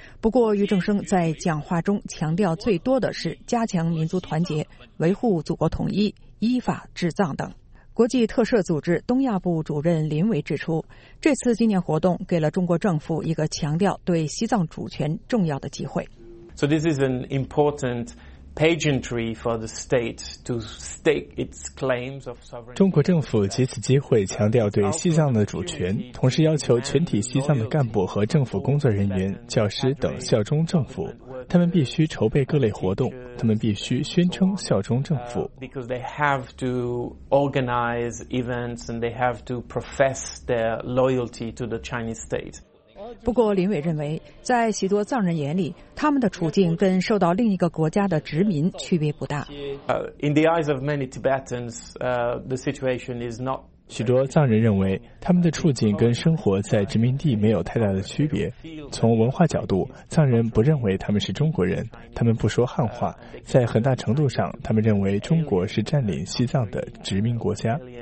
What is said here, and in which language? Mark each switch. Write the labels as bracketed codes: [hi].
[zh] 不过于正声在讲话中强调最多的是加强民族团结，维护祖国统一，依法治藏等。国际特赦组织东亚部主任林维指出，这次纪念活动给了中国政府一个强调对西藏主权重要的机会。 [en] So this is an importantPageantry for the state to stake its claims of sovereignty. [zh] 中国政府借此机会强调对西藏的主权，同时要求全体西藏的干部和政府工作人员、教师等效忠政府。他们必须筹备各类活动，他们必须宣称效忠政府。 [en] Because they have to organize events and they have to profess their loyalty to the Chinese state. [zh] 不过林伟认为，在许多藏人眼里，他们的处境跟受到另一个国家的殖民区别不大。 [en] In the eyes of many Tibetans, the situation is not... [zh] 许多藏人认为他们的处境跟生活在殖民地没有太大的区别。从文化角度，藏人不认为他们是中国人，他们不说汉话，在很大程度上他们认为中国是占领西藏的殖民国家。